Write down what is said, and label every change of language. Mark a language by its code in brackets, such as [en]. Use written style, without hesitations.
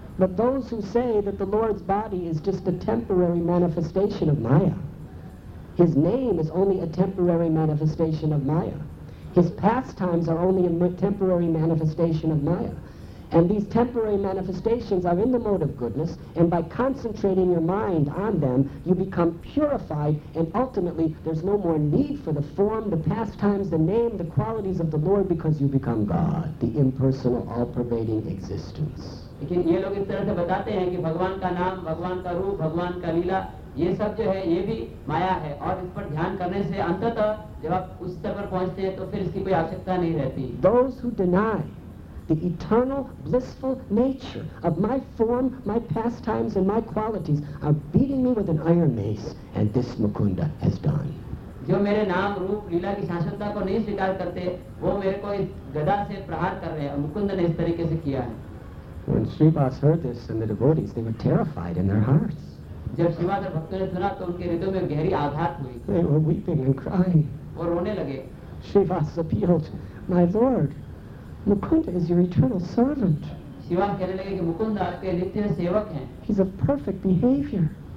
[en] But those who say that the Lord's body is just a temporary manifestation of maya, his name is only a temporary manifestation of maya, his pastimes are only a temporary manifestation of maya, and these temporary manifestations are in the mode of goodness, and by concentrating your mind on them you become purified, and ultimately there's no more need for the form, the pastimes, the name, the qualities of the Lord, because you become God, the impersonal all-pervading existence. [hi] लेकिन ये लोग इस तरह से बताते हैं कि भगवान का नाम, भगवान का रूप, भगवान का लीला, ये सब जो है ये भी माया है, और इस पर ध्यान करने से अंततः जब आप उस स्तर पर पहुंचते हैं तो फिर इसकी कोई आवश्यकता नहीं रहती. [en] Those who deny the eternal blissful nature of my form, my pastimes and my qualities are beating me with an iron mace, and this Mukunda has done. [hi] जो मेरे नाम, रूप, लीला की शाश्वतता को नहीं स्वीकार करते वो मेरे को इस गदा से प्रहार कर रहे हैं, और मुकुंद ने इस तरीके से किया है. [en] When Srivas heard this and the devotees, they were terrified in their hearts. They were weeping and crying. Srivas appealed, "My Lord, Mukunda is your eternal servant. He's of perfect behavior.